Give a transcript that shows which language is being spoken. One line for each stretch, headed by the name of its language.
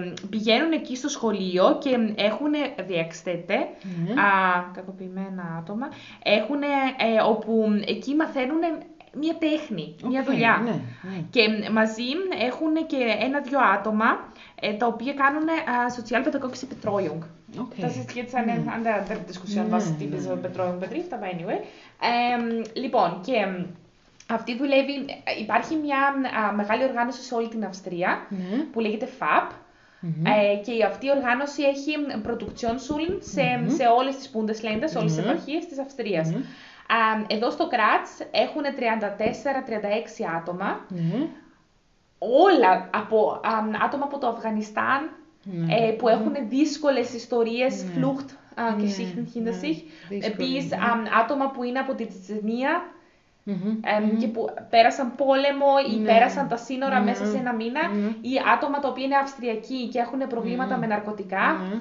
Greek: Πηγαίνουν εκεί στο σχολείο και έχουν διεξθέτε κακοποιημένα άτομα, έχουν όπου εκεί μαθαίνουν μια τέχνη, μια δουλειά. Ναι, ναι. Και μαζί έχουν και ένα-δυο άτομα τα οποία κάνουν σοσιαλπαιδαγώγηση Betreuung.
German: Das ist jetzt eine andere Diskussion, was die diese Betreuung betrifft, aber anyway.
Greek: Λοιπόν, και αυτή δουλεύει, υπάρχει μια μεγάλη οργάνωση σε όλη την Αυστρία που λέγεται FAP. Και αυτή η οργάνωση έχει production schulen σε όλες τις Bundesländer, σε όλες τις επαρχίες της Αυστρίας. Εδώ στο Κράτς έχουν 34-36 άτομα, όλα από άτομα από το Αφγανιστάν που έχουν δύσκολες ιστορίες,
German: Flucht, Geschichten hinter sich,
Greek: επίσης άτομα που είναι από τη Τσετσενία και που πέρασαν πόλεμο ή πέρασαν τα σύνορα μέσα σε ένα μήνα, ή άτομα τα οποία είναι Αυστριακοί και έχουν προβλήματα με ναρκωτικά.